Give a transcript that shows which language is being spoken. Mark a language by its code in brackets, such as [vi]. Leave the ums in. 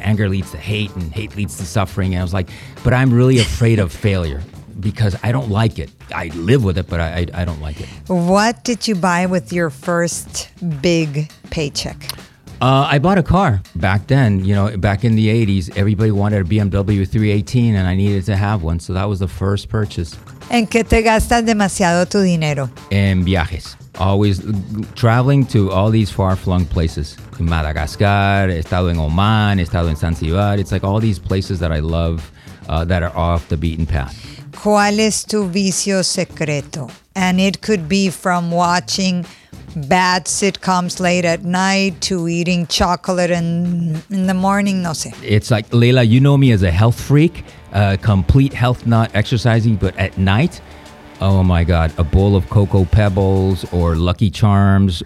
[en] Anger leads to hate, and hate leads to suffering. And I was like, but I'm really afraid of failure because I don't like it. I live with it, but I I, I don't like it. What did you buy with your first big paycheck? Uh, I bought a car back then. You know, back in the '80s, everybody wanted a BMW 318, and I needed to have one, so that was the first purchase. [es] En que te gastas demasiado tu dinero? En viajes, [en] always traveling to all these far-flung places. In [es] Madagascar, he estado en Oman, he estado en Zanzibar. [en] It's like all these places that I love uh, that are off the beaten path. [es] ¿Cuál es tu vicio secreto? [en] And it could be from watching bad sitcoms late at night to eating chocolate in, in the morning, [es] no sé. [en] It's like Leila, you know me as a health freak, uh, complete health nut, exercising, but at night, oh my god, a bowl of cocoa pebbles or Lucky Charms.